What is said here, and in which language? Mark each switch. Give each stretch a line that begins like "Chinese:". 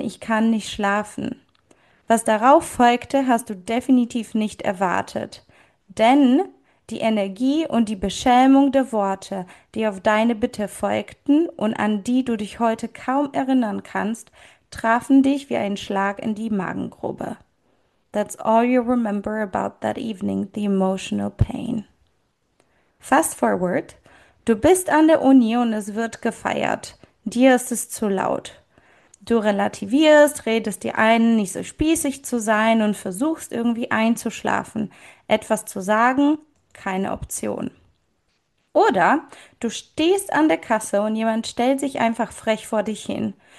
German: Ich kann nicht schlafen. Was darauf folgte, hast du definitiv nicht erwartet. Denn die Energie und die Beschämung der Worte, die auf deine Bitte folgten und an die du dich heute kaum erinnern kannst, trafen dich wie ein Schlag in die Magengrube.
English: That's all you remember about that evening, the emotional pain. Fast forward,
German: du bist an der Uni und es wird gefeiert. Dir ist es zu laut. Du relativierst, redest dir ein, nicht so spießig zu sein und versuchst irgendwie einzuschlafen. Etwas zu sagen, keine Option. Oder du stehst an der Kasse und jemand stellt sich einfach frech vor dich hin.